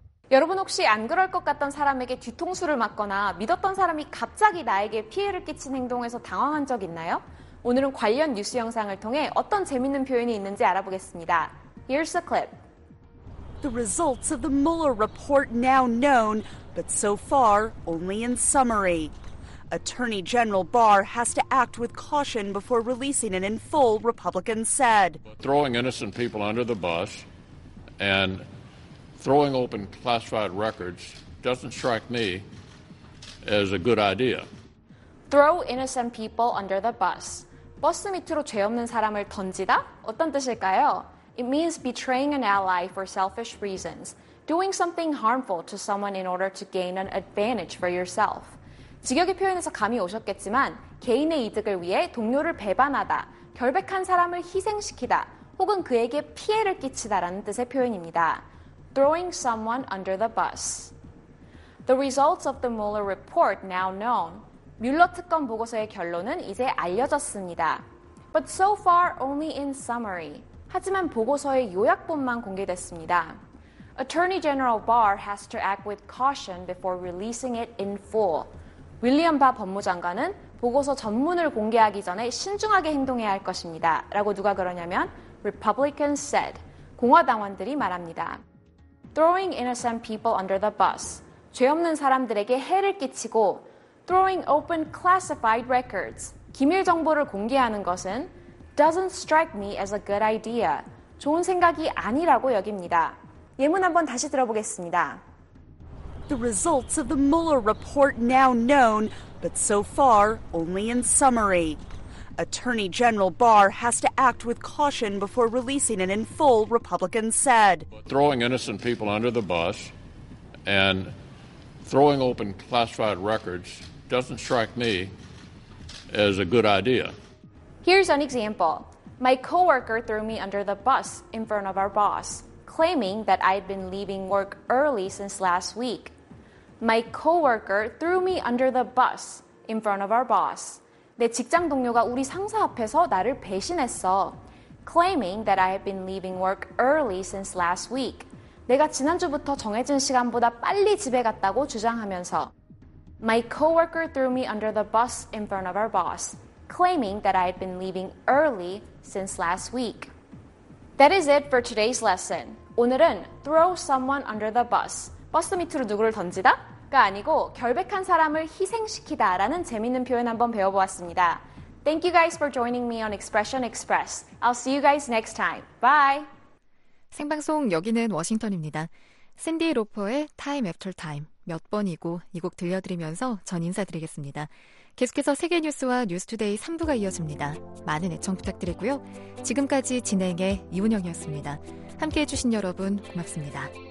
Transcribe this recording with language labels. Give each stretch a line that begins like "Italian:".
Korean: 여러분 혹시 안 그럴 것 같던 사람에게 뒤통수를 맞거나 믿었던 사람이 갑자기 나에게 피해를 끼친 행동에서 당황한 적 있나요? 오늘은 관련 뉴스 영상을 통해 어떤 재밌는 표현이 있는지 알아보겠습니다.
English: Here's a clip. The results of the Mueller report now known, but so far only in summary. Attorney General Barr has to act with caution before releasing it in full, Republicans said. Throwing innocent people under the bus and throwing open classified records doesn't strike me as a good idea. Throw innocent people under the bus.
Korean: 버스 밑으로 죄 없는 사람을 던지다? 어떤 뜻일까요?
English: It means betraying an ally for selfish reasons, doing something harmful to someone in order to gain an advantage for yourself.
Korean: 직역의 표현에서 감이 오셨겠지만 개인의 이득을 위해 동료를 배반하다, 결백한 사람을 희생시키다, 혹은 그에게 피해를 끼치다라는 뜻의 표현입니다.
English: Throwing someone under the bus. The results of the Mueller report now known.
Korean: 뮬러 특검 보고서의 결론은 이제 알려졌습니다.
English: But so far only in summary.
Korean: 하지만 보고서의 요약본만 공개됐습니다.
English: Attorney General Barr has to act with caution before releasing it in full.
Korean: 윌리엄 바 법무장관은 보고서 전문을 공개하기 전에 신중하게 행동해야 할 것입니다. 라고 누가 그러냐면
English: Republicans said.
Korean: 공화당원들이 말합니다.
English: Throwing innocent people under the bus.
Korean: 죄 없는 사람들에게 해를 끼치고
English: Throwing open classified records.
Korean: 기밀 정보를 공개하는 것은
English: Doesn't strike me as a good idea.
Korean: 좋은 생각이 아니라고 여깁니다. 예문 한번 다시 들어보겠습니다.
English: The results of the Mueller report now known, but so far only in summary. Attorney General Barr has to act with caution before releasing it in full, Republicans said. Throwing innocent people under the bus and throwing open classified records doesn't strike me as a good idea. Here's an example. My coworker threw me under the bus in front of our boss, claiming that I'd been leaving work early since last week. My coworker threw me under the bus in front of our boss.
Korean: 내 직장 동료가 우리 상사 앞에서 나를 배신했어.
English: Claiming that I had been leaving work early since last week.
Korean: 내가 지난주부터 정해진 시간보다 빨리 집에 갔다고 주장하면서.
English: My coworker threw me under the bus in front of our boss, claiming that I had been leaving early since last week. That is it for today's lesson.
Korean: 오늘은
English: throw someone under the bus,
Korean: 버스 밑으로 누구를 던지다? 가 아니고 결백한 사람을 희생시키다 라는 재밌는 표현 한번 배워보았습니다.
English: Thank you guys for joining me on Expression Express. I'll see you guys next time. Bye!
Korean: 생방송 여기는 워싱턴입니다. 샌디 로퍼의 Time After Time 몇 번이고 이 곡 들려드리면서 전 인사드리겠습니다. 계속해서 세계뉴스와 뉴스투데이 3부가 이어집니다. 많은 애청 부탁드리고요. 지금까지 진행의 이운영이었습니다. 함께해 주신 여러분 고맙습니다.